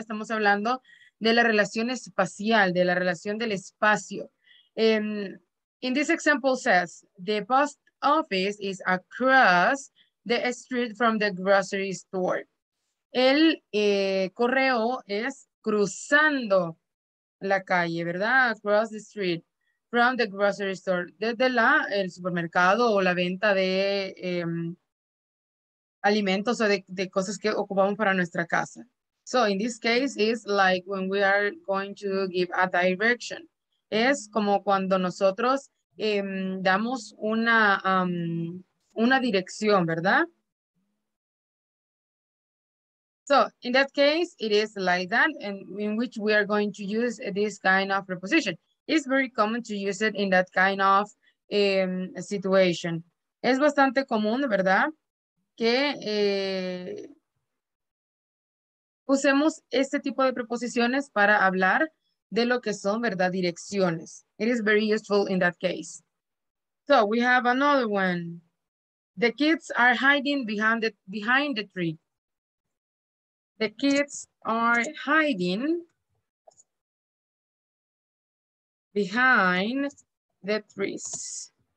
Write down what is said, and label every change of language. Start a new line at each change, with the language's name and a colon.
Spanish: Estamos hablando de la relación espacial, de la relación del espacio.
English: In this example says, the post office is across the street from the grocery store.
Spanish: El correo es cruzando la calle, ¿verdad?
English: Across the street. from the grocery store,
Spanish: desde la, el supermercado o la venta de alimentos o de cosas que ocupamos para nuestra casa.
English: So in this case, it's like when we are going to give a direction.
Spanish: Es como cuando nosotros damos una dirección, ¿verdad?
English: So in that case, it is like that, and in which we are going to use this kind of preposition. It's very common to use it in that kind of situation.
Spanish: Es bastante común, ¿verdad? Que usemos este tipo de preposiciones para hablar de lo que son, ¿verdad? Direcciones.
English: It is very useful in that case. So we have another one. The kids are hiding behind the tree. The kids are hiding behind the trees.